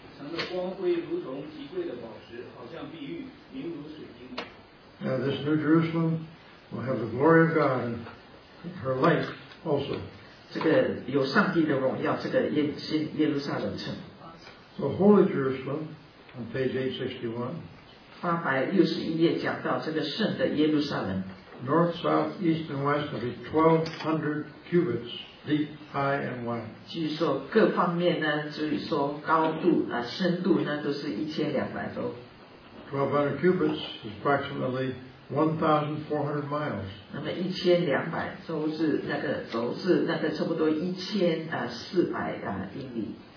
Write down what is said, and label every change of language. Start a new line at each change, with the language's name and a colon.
English: This New Jerusalem will have the glory of God and her light also.
Chinese: 这个有上帝的荣耀，这个新耶路撒冷城。
English: So Holy Jerusalem, on page 861.
Chinese: 861页讲到这个圣的耶路撒冷。
English: North, south, east, and west will be 1,200 cubits. Deep, high, and wide.
Chinese: 据说各方面呢，就是说高度啊、深度呢，都是1200多。
English: 1200 cubits is approximately 1,400 miles.
Chinese: 那么1200周是那个周是那个差不多1400英里。